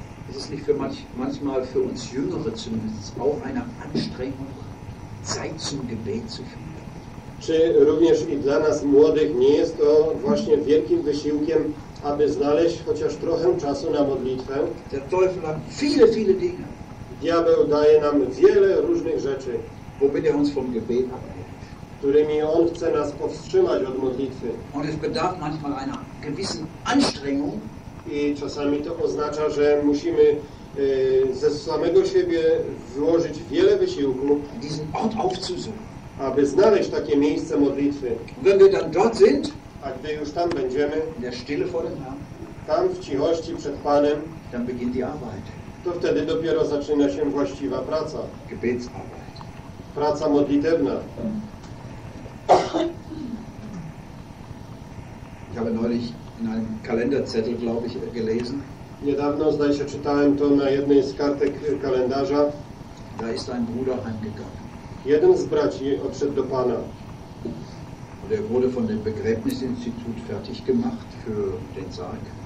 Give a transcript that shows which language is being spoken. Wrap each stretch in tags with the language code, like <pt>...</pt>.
<de>Es ist nicht für manchmal für uns Jüngere zumindest auch eine Anstrengung, Zeit zum Gebet zu finden.</de> <pl>Czy również i dla nas młodych nie jest to właśnie wielkim wysiłkiem, aby znaleźć chociaż trochę czasu na modlitwę?</pl> <de>Der Teufel hat viele, viele Dinge.</de> <pl>Diabeł daje nam wiele różnych rzeczy.</pl> <de>Wo will er uns vom Gebet abhält?</de> <pl>Którymi on chce nas powstrzymać od modlitwy.</pl> <de>Und es bedarf manchmal einer gewissen Anstrengung.</de> <pl>I czasami to oznacza, że musimy ze samego siebie włożyć wiele wysiłku,</pl> <de>diesen Ort aufzusuchen,</de> <pl>aby znaleźć takie miejsce modlitwy.</pl> <de>Und wenn wir dann dort sind,</de> <pl>a gdy już tam będziemy,</pl> <de>in der Stille vor dem Herrn,</de> <pl>tam w cichości przed Panem,</pl> <de>dann beginnt die Arbeit.</de> <pl>To wtedy dopiero zaczyna się właściwa praca.</pl> <de>Gebetsarbeit.</de> <pl>Praca modlitewna.</pl> <de>Ich habe neulich in einem Kalenderzettel, glaube ich, gelesen.</de> <pl>Niedawno, zdaje się, czytałem to na jednej z kartek kalendarza.</pl> <de>Da ist ein Bruder heimgegangen.</de> <pl>Jeden z braci odszedł do Pana.</pl> <de>Und er wurde von dem Begräbnisinstitut fertig gemacht für den Sarg.</de>